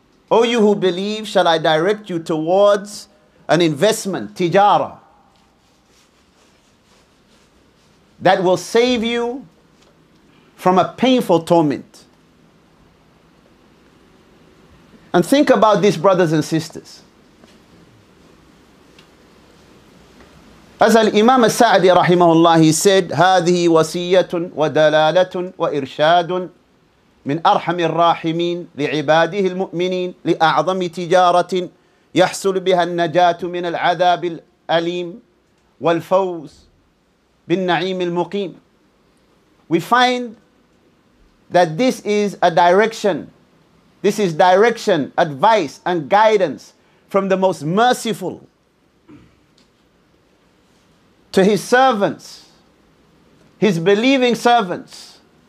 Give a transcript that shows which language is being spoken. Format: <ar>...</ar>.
<en>O you who believe, shall I direct you towards an investment, tijara, that will save you from a painful torment? And think about this, brothers and sisters. As al-Imam al-Sa'di rahimahullah, he said,</en> <ar>"هذه وصية ودلالة وإرشاد من أرحم الراحمين لعباده المؤمنين لأعظم تجارة يحصل بها النجاة من العذاب الأليم والفوز بالنعيم المقيم."</ar> <en>We find that this is a direction. This is direction, advice, and guidance from the Most Merciful to His servants, His believing servants.</en>